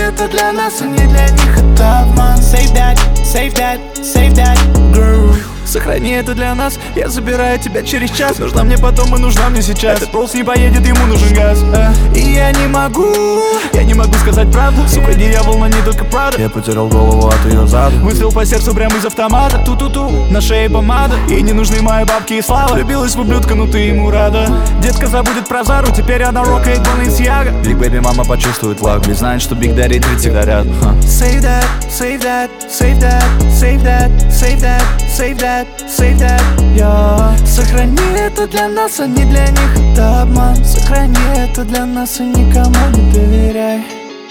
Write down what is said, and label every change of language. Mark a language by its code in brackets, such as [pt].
[ru] Для нас и не для них, это обман. [en] Save that, save that, save that, girl. [ru] Сохрани это для нас, я забираю тебя через час. Нужна мне потом и нужна мне сейчас. Этот пульс не поедет, ему нужен газ. И я не могу сказать правду. Сука, не я волна, не только Прада. Я потерял голову от ее зада. Выстрел по сердцу прямо из автомата. Ту-ту-ту, на шее помада. Ей не нужны мои бабки и слава. Влюбилась в ублюдка, но ты ему рада. Детка забудет про Зару, теперь она рокает Balenciaga. Биг бэби мама почувствует лаг. Ведь знает, что Биг Дэдди тридцать всегда рядом. [en] Save that, save that, save that, save that, save that, save that, save that. Save that, yeah. [ru] Сохрани это для нас, а не для них, это обман. Сохрани это для нас и никому не доверяй.